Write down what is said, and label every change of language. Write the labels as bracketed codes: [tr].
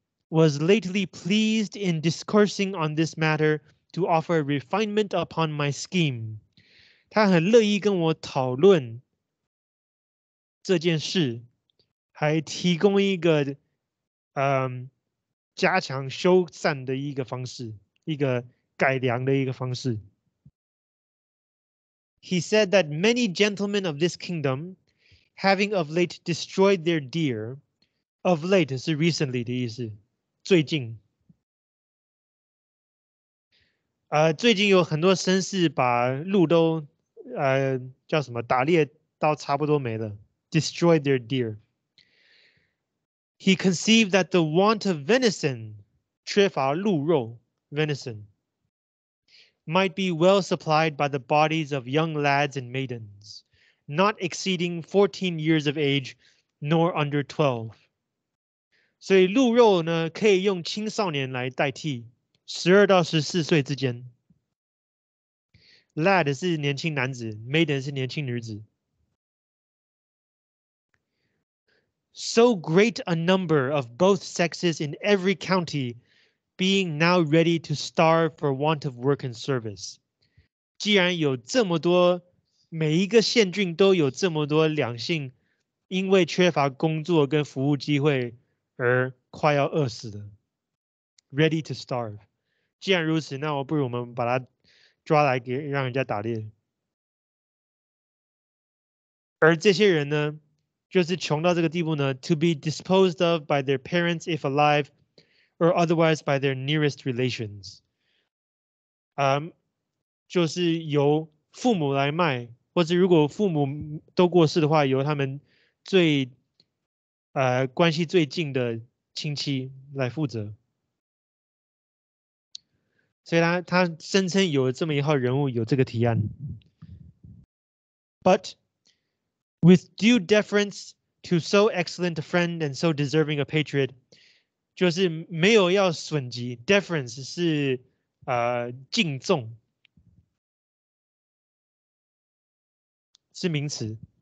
[en] Was lately pleased in discoursing on this matter to offer refinement upon my scheme. [zh] 他很乐意跟我讨论。这件事还提供一个加强修缮的一个方式，一个改良的一个方式。 [en] He said that many gentlemen of this kingdom, having of late destroyed their deer, of late 是 recently [zh] 的意思，最近。最近有很多绅士把鹿都叫什么打猎到差不多没了。 [en] Destroyed their deer. He conceived that the want of venison, [zh] 缺乏鹿肉 [en] venison, might be well supplied by the bodies of young lads and maidens, not exceeding 14 years of age, nor under 12. [zh] 所以鹿肉呢，可以用青少年来代替，12到14岁之间。 Lad 是年轻男子 ，maiden 是年轻女子。 [en] So great a number of both sexes in every county being now ready to starve for want of work and service. [zh] 既然有这么多，每一个县郡都有这么多两性因为缺乏工作跟服务机会而快要饿死的。 [en] Ready to starve. [zh] 既然如此，那我不如我们把它抓来给让人家打猎。而这些人呢？就是穷到这个地步呢 [en] ，to be disposed of by their parents if alive, or otherwise by their nearest relations. [zh] 就是由父母来卖，或者如果父母都过世的话，由他们最关系最近的亲戚来负责。所以他声称有这么一号人物有这个提案 ， [en] but with due deference to so excellent a friend and so deserving a patriot, [zh] 就是没有要损及 deference 是敬重，是名词。